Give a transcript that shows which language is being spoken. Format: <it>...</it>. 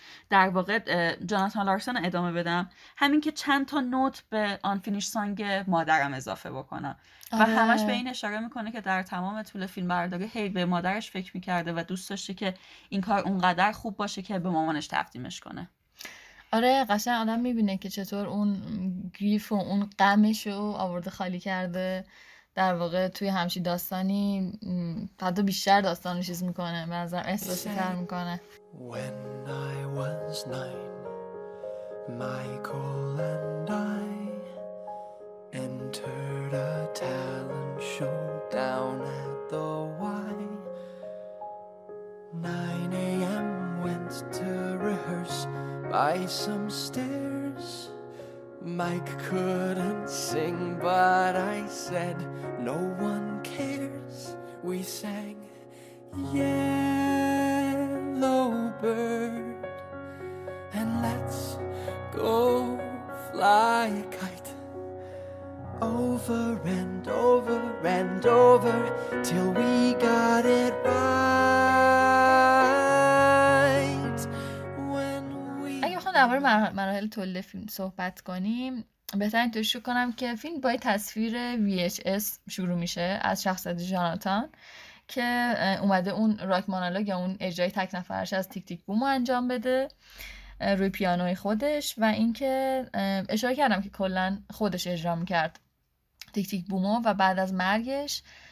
<fa>در واقع جاناتان لارسن ادامه بدم همین که چند تا نوت به</fa> <en>unfinished song</en> <fa>مادرم اضافه بکنم و همش به این اشاره میکنه که در تمام طول فیلم برداری هی به مادرش فکر میکرده و دوست داشته که این کار اونقدر خوب باشه که به مامانش تقدیمش کنه. آره قشنگ آدم میبینه که چطور اون گریف و اون غمش رو آورده خالی کرده در واقع توی همچی داستانی حتی بیشتر داستان رو چیز میکنه به نظر احساسی تر میکنه.</fa> <en>When I was 9 Michael and I entered a talent show down at the Y 9 a.m. went to rehearse by some stairs Mike couldn't sing but I said no one cares we sang Yellow Bird and let's go fly a kite over and over and over till we got it right when we</en> <fa>اگه بخوام در مورد مراحل تولید فیلم صحبت کنیم بهترین توش رو کنم که فیلم با تصویر VHS شروع میشه از شخصیت جاناتان که اومده اون راک مونولوگ یا اون اجرای تک نفرش از تیک تیک بومو انجام بده روی پیانوی خودش و اینکه اشاره کردم که کلن خودش اجرا میکرد تیک تیک بومو و بعد از مرگش</fa>